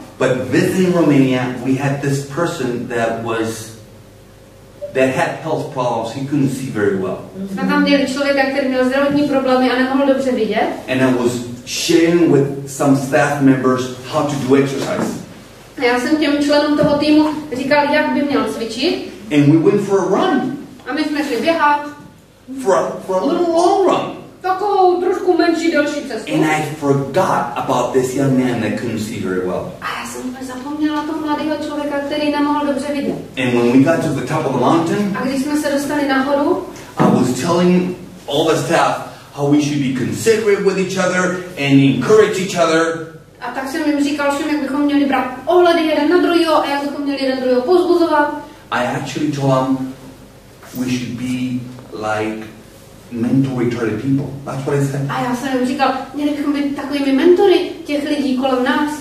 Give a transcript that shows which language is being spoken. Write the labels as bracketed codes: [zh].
[en] But visiting Romania, we had this person that had health problems. He couldn't see very well. [cs] Jsme tam měli člověka, který měl zdravotní problémy a nemohl dobře vidět. [en] And I was sharing with some staff members how to do exercise. [cs] Já jsem těm členům toho týmu říkal, jak by měl cvičit. [en] And we went for a run. [cs] A my jsme šli běhat. [en] For a little long run. [cs] Takovou trošku menší delší cestu. [en] And I forgot about this young man that couldn't see very well. [cs] A já jsem zapomněla toho mladého člověka, který nemohl dobře vidět. [en] And when we got to the top of the mountain. [cs] A když jsme se dostali nahoru. [en] I was telling all the staff how we should be considerate with each other and encourage each other. [cs] A tak jsem jim říkal všem, jak bychom měli brát ohledy jeden na druhého a jak bychom měli jeden druhého pozbuzovat. [en] I actually told them we should be like mentory to the people. That's what I said. [cs] A já jsem jim říkal, měli bychom být takovými mentory těch lidí kolem nás.